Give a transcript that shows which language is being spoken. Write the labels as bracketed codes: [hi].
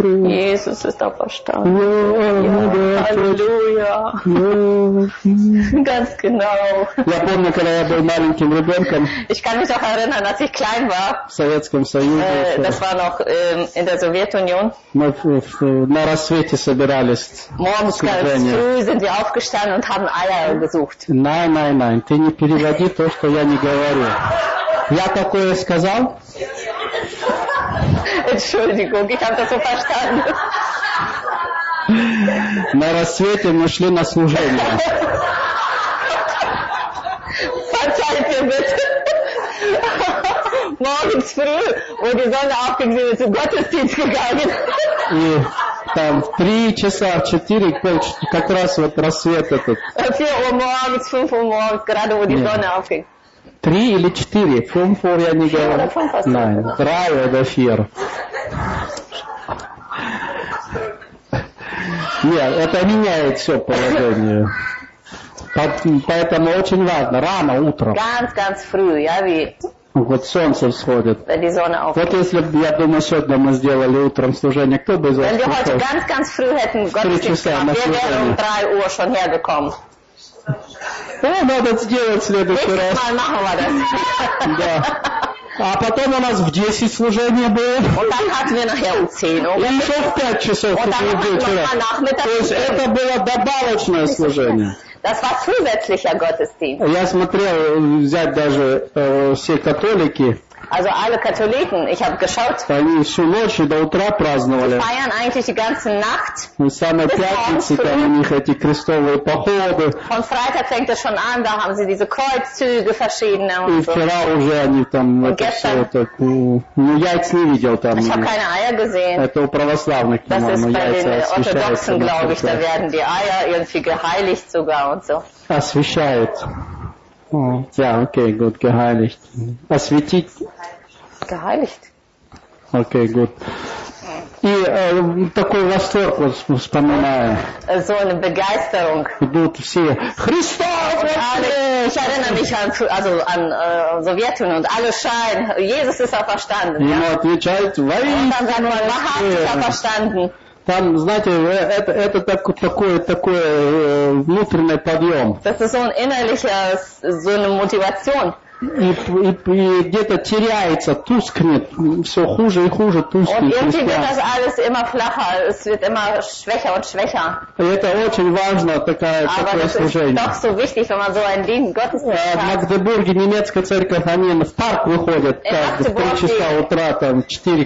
[de] Jesus ist auferstanden. Halleluja. Ganz genau. [ru] Я помню, когда я был маленьким ребенком. [de] Ich kann mich auch erinnern, als ich klein war. [ru] В Советском Союзе. [de] Das war noch in der Sowjetunion. [ru] Мы на рассвете собирались. [de] Morgens früh sind wir aufgestanden und haben Eier gesucht. Nein. [ru] Ты не переводи то, что я не говорю. Я такое сказал? [de] Entschuldigung, ich habe das so verstanden. [ru] На рассвете мы шли на служение. [de] Verzeihte bitte. Morgens früh, wo die Sonne aufging, sind wir zum Gottesdienst gegangen. [ru] И там в 3 часа, 4, как раз вот рассвет этот. [de] 4 morgens, 5 morgens, gerade wo die Sonne aufging. [ru] 3 или 4? 5 я не говорю. 3 это 4. Нет, это меняет все положение. Поэтому очень важно, рано утром. [de] Ganz früh, ja, wie... [ru] Вот солнце всходит. Вот если бы, я думаю, сегодня мы сделали утром служение, кто бы зашел? [de] Wenn wir heute ganz früh hätten Gottesdienst gemacht, wir wären 3 Uhr schon hergekommen. [ru] Ну, надо сделать в следующий раз. [de] Nächstes Mal machen wir das. [ru] Да. А потом у нас в 10 служение было. [de] Und dann hatten wir nachher 10 Uhr. [ru] И еще в 5 часов вечера. То есть это было добавочное служение. [de] Das war zusätzlicher Gottesdienst. [ru] Я смотрел, взять даже все католики. [de] Also alle Katholiken, ich habe geschaut. [ru] Они всю ночь и до утра праздновали. [de] Sie feiern eigentlich die ganze Nacht. [ru] Und самые пятницы, там у них эти крестовые походы. [de] Von Freitag fängt es schon an, da haben sie diese Kreuzzüge verschiedene und [ru] so. И вчера уже они там ну, яйца не видел там. [de] Ich habe keine Eier gesehen. [ru] Это у православных, по-моему, яйца освящаются. [de] Das ist bei den Orthodoxen, glaube ich, da werden die Eier irgendwie geheiligt sogar und so. Освящают. Ja, okay, gut, geheiligt. Was wird die? Geheiligt. Okay, gut. [ru] И такой восторг вспоминаю. [de] So eine Begeisterung. [ru] Идут все. Христос воскрес! [de] Я erinnere mich an Sowjetunion und alle schreien, Jesus ist auferstanden. [ru] Ему отвечают, воистину. Там, знаете, это такой внутренний подъем. [de] Das ist so ein innerlicher, so eine Motivation. [ru] И где-то теряется, тускнет, все хуже и хуже тускнет. Это очень важно, такое служение. [de] So wichtig, so [ru] в Магдебурге немецкая церковь, они в парк выходят в 3 часа утра, там 4